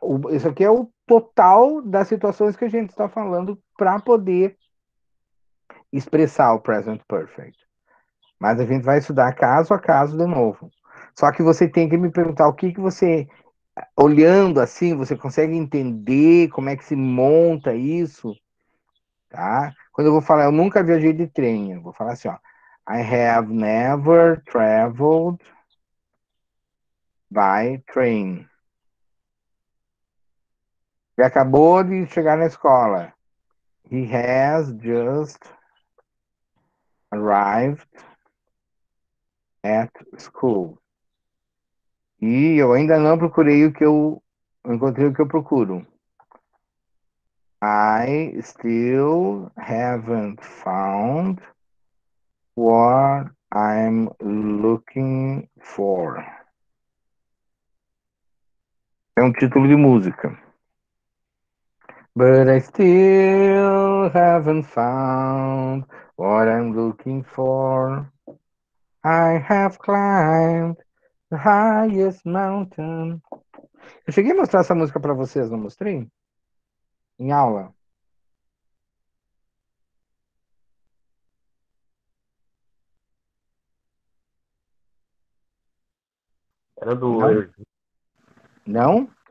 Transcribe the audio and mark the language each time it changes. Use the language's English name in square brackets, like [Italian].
[Portuguese] Isso aqui é o total das situações que a gente está falando para poder expressar o present perfect. Mas a gente vai estudar caso a caso de novo. Só que você tem que me perguntar o que que você, olhando assim, você consegue entender como é que se monta isso, tá? Quando eu vou falar, eu nunca viajei de trem, eu vou falar assim, ó. [English] I have never traveled by train. [Portuguese] Ele acabou de chegar na escola. [English] He has just arrived at school. [Portuguese] E eu ainda não procurei o que eu encontrei o que eu procuro. [English] I still haven't found what I'm looking for. [Portuguese] É um título de música. [English] But I still haven't found what I'm looking for. I have climbed the highest mountain. [Portuguese] Eu cheguei a mostrar essa música para vocês, não mostrei? Em aula. Era do Não? Não?